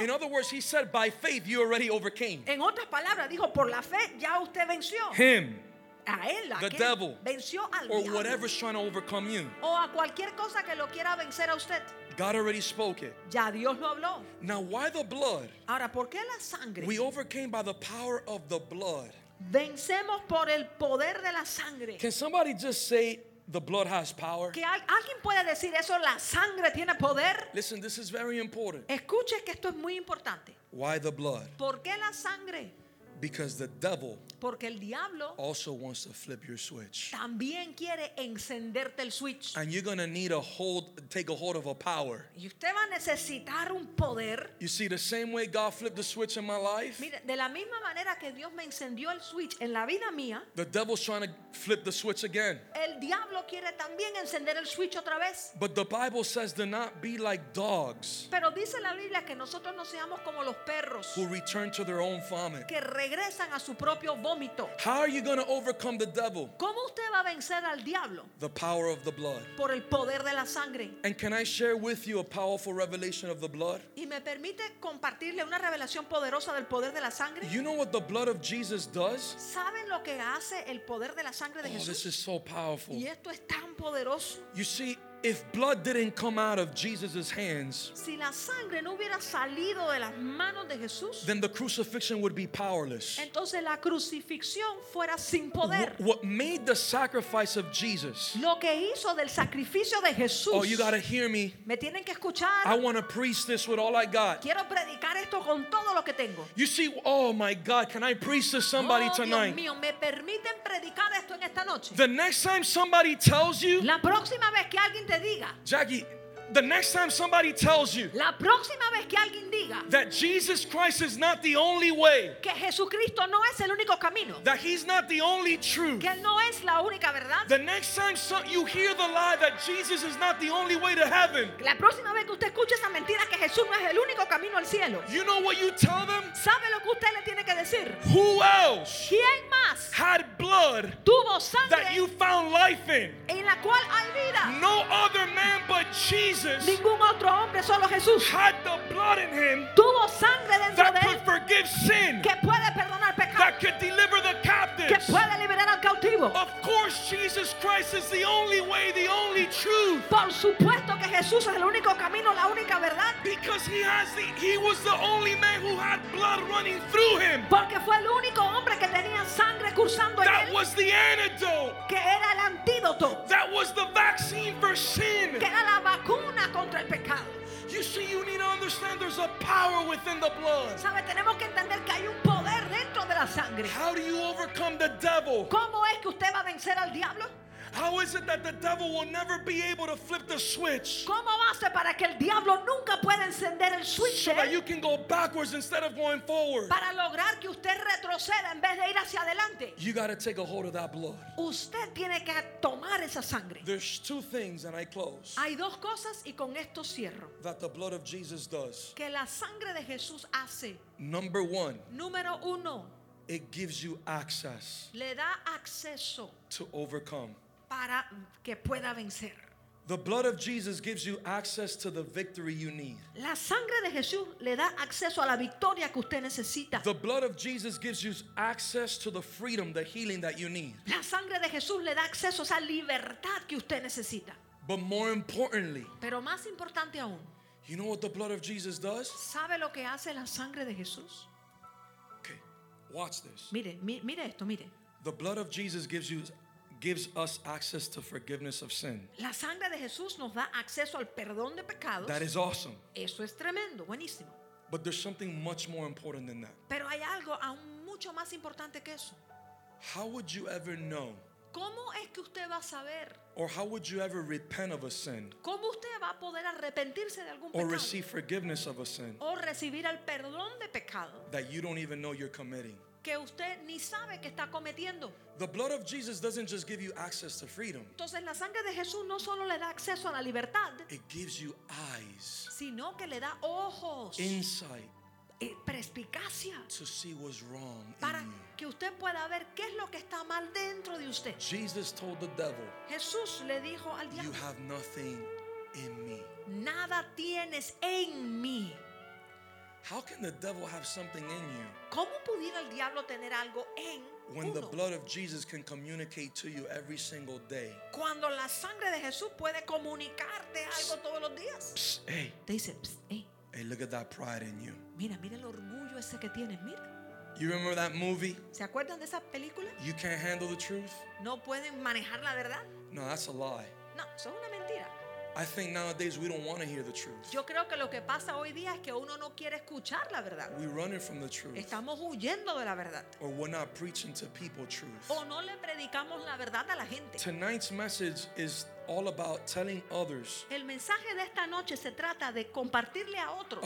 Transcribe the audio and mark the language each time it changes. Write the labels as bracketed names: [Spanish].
[English] In other words, he said, by faith you already overcame. [Spanish] En otras palabras, dijo, por la fe ya usted venció. [English] Him. [Spanish] A él, a [English] the devil. [Spanish] Venció al [English] or whatever's trying to overcome you. [Spanish] O a cualquier cosa que lo quiera vencer a usted. [English] God already spoke it. [Spanish] Ya Dios lo habló. [English] Now why the blood? [Spanish] Ahora, ¿por qué la sangre? [English] We overcame by the power of the blood. [Spanish] Vencemos por el poder de la sangre. [English] Can somebody just say the blood has power? [Spanish] ¿Que alguien puede decir eso? La sangre tiene poder. [English] Listen, this is very important. [Spanish] Escuche que esto es muy importante. [English] Why the blood? [Spanish] ¿Por qué la sangre? [English] Because the devil, [Spanish] porque el diablo, [English] also wants to flip your switch. [Spanish] También quiere encenderte el switch. [English] And you're going to need a hold, take a hold of a power. [Spanish] Y usted va a necesitar un poder. [English] You see, the same way God flipped the switch in my life, [Spanish] mire, de la misma manera que Dios me encendió el switch en la vida mía, [English] the devil's trying to flip the switch again. [Spanish] El diablo quiere también encender el switch otra vez. [English] But the Bible says to not be like dogs, [Spanish] pero dice la Biblia que nosotros no seamos como los perros, [English] who return to their own vomit, [Spanish] que regresan a su propio vómito. [English] How are you going to overcome the devil? [Spanish] ¿Cómo usted va a vencer al diablo? [English] The power of the blood. [Spanish] Por el poder de la sangre. [English] And can I share with you a powerful revelation of the blood? [Spanish] ¿Y me permite compartirle una revelación poderosa del poder de la sangre? [English] You know what the blood of Jesus does? [Spanish] ¿Saben lo que hace el poder de la sangre de Jesús? [English] Oh, this is so powerful. [Spanish] Y esto es tan poderoso. [English] You see, if blood didn't come out of Jesus' hands, [Spanish] si la sangre no hubiera salido de las manos de Jesús, [English] then the crucifixion would be powerless. [Spanish] Entonces la crucifixión fuera sin poder. [English] What made the sacrifice of Jesus, [Spanish] lo que hizo del sacrificio de Jesús, [English] oh, you gotta hear me, [Spanish] me tienen que escuchar. [English] I want to preach this with all I got. [Spanish] Quiero predicar esto con todo lo que tengo. [English] You see, oh my God, can I preach to somebody oh, tonight? [Spanish] Dios mío, ¿me permiten predicar esto en esta noche? [English] The next time somebody tells you, [Spanish] la próxima vez que alguien, [English] Jackie, the next time somebody tells you, [Spanish] la próxima vez que alguien diga, [English] that Jesus Christ is not the only way, [Spanish] que Jesucristo no es el único camino, [English] that he's not the only truth, [Spanish] que no es la única verdad, [English] the next time you hear the lie that Jesus is not the only way to heaven, [Spanish] la próxima vez que usted escuche esa mentira que Jesús no es el único camino al cielo, [English] you know what you tell them? [Spanish] ¿Sabe lo que usted le tiene que decir? [English] Who else, [Spanish] ¿quién más, [English] had blood, [Spanish] tuvo sangre, [English] that you found life in, [Spanish] en la cual hay vida? [English] No other man but Jesus. [Spanish] Ningún otro hombre, solo Jesús, [English] had the blood in him, [Spanish] tuvo sangre dentro [English] that [Spanish] de él, [English] could forgive sin, [Spanish] que puede perdonar pecado, [English] that could deliver the captives, [Spanish] que puede liberar al cautivo. [English] Of course, Jesus Christ is the only way, the only truth. [Spanish] Por supuesto que Jesús es el único camino, la única verdad. [English] Because he was the only man who had blood running through him. [Spanish] Porque fue el único hombre que tenía sangre cursando [English] that [Spanish] en él. [English] That was the antidote. [Spanish] Que era el antídoto. [English] That was the vaccine for sin. [Spanish] Que era la vacuna contra el pecado. [English] You see, you need to understand there's a power within the blood. [Spanish] ¿Sabe? Tenemos que entender que hay un poder dentro de la sangre. [English] How do you overcome the devil? [Spanish] ¿Cómo es que usted va a vencer al diablo? [English] How is it that the devil will never be able to flip the switch? [Spanish] ¿Cómo hace para que el diablo nunca pueda encender el switch? [English] So that you can go backwards instead of going forward. [Spanish] Para lograr que usted retroceda en vez de ir hacia adelante. [English] You got to take a hold of that blood. [Spanish] Usted tiene que tomar esa sangre. [English] There's two things and I close. [Spanish] Hay dos cosas y con esto cierro. [English] That the blood of Jesus does. [Spanish] Que la sangre de Jesús hace. [English] Number one. [Spanish] Número uno. [English] It gives you access. [Spanish] Le da acceso. [English] To overcome. [Spanish] Para que pueda vencer. [English] The blood of Jesus gives you access to the victory you need. [Spanish] La sangre de Jesús le da acceso a la victoria que usted necesita. [English] The blood of Jesus gives you access to the freedom, the healing that you need. [Spanish] La sangre de Jesús le da acceso a esa libertad que usted necesita. [English] But more importantly, [Spanish] pero más importante aún, [English] you know what the blood of Jesus does? [Spanish] ¿Sabe lo que hace la sangre de Jesús? [English] Okay, watch this. [Spanish] Mire, mire esto, mire. [English] The blood of Jesus gives us access to forgiveness of sin. [Spanish] La sangre de Jesús nos da acceso al perdón de pecados. [English] That is awesome. [Spanish] Eso es tremendo, buenísimo. [English] But there's something much more important than that. [Spanish] Pero hay algo aún mucho más importante que eso. [English] How would you ever know? [Spanish] ¿Cómo es que usted va a saber? [English] Or how would you ever repent of a sin? [Spanish] ¿Cómo usted va a poder arrepentirse de algún pecado? [English] Or receive forgiveness of a sin? [Spanish] O recibir el perdón de pecado. [English] That you don't even know you're committing. [Spanish] Que usted ni sabe que está cometiendo. [English] The blood of Jesus doesn't just give you access to freedom. [Spanish] Entonces la sangre de Jesús no solo le da acceso a la libertad. [English] It gives you eyes. [Spanish] Sino que le da ojos. [English] Insight. [Spanish] Perspicacia. [English] To see what's wrong. [Spanish] Para [English] in you. [Spanish] Que usted pueda ver qué es lo que está mal dentro de usted. [English] Jesus told the devil. [Spanish] Jesús le dijo al diablo. [English] You have nothing in me. [Spanish] Nada tienes en mí. [English] How can the devil have something in you? [Spanish] ¿Cómo pudiera el diablo tener algo en [English] when the blood of Jesus can communicate to you every single day? [Spanish] Cuando la sangre de Jesús puede comunicarte algo todos los días. [English] Hey. [Spanish] Te dice, hey. [English] Hey, look at that pride in you. [Spanish] Mira, mira el orgullo ese que tienes, mira. [English] You remember that movie? [Spanish] ¿Se acuerdan de esa película? [English] You can't handle the truth? [Spanish] No pueden manejar la verdad? [English] No, that's a lie. [Spanish] No, eso es una mentira. [English] I think nowadays we don't want to hear the truth. [Spanish] Yo creo que lo que pasa hoy día es que uno no quiere escuchar la verdad. [English] We're running from the truth. [Spanish] Estamos huyendo de la verdad. [English] Or we're not preaching to people truth. [Spanish] O no le predicamos la verdad a la gente. [English] Tonight's message is all about telling others. [Spanish] El mensaje de esta noche se trata de compartirle a otros.